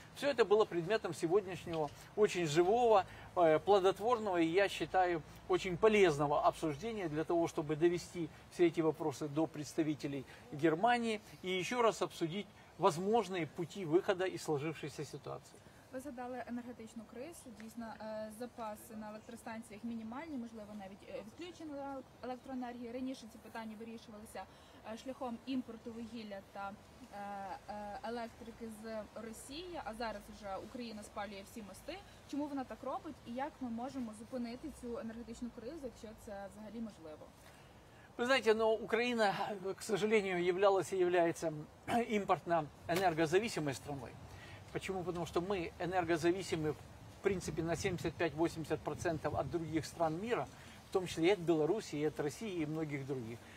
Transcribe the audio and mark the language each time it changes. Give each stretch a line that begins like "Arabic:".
Russian: Все это было предметом сегодняшнего очень живого, плодотворного и, я считаю, очень полезного обсуждения для того, чтобы довести все эти вопросы до представителей Германии и еще раз обсудить возможные пути выхода из сложившейся ситуации.
Ukrainian: Ви згадали енергетичну кризу. Дійсно, запаси на електростанціях мінімальні, можливо, навіть відключена електроенергія. Раніше ці питання вирішувалися шляхом імпорту вугілля та електрики з Росії, а зараз вже Україна спалює всі мости. Чому вона так робить і як ми можемо зупинити цю енергетичну кризу, якщо це взагалі можливо?
Russian: Вы знаете, но Украина, к сожалению, являлась и является импортно-энергозависимой страной. Почему? Потому что мы энергозависимы, в принципе, на 75-80% от других стран мира, в том числе и от Беларуси, и от России, и многих других.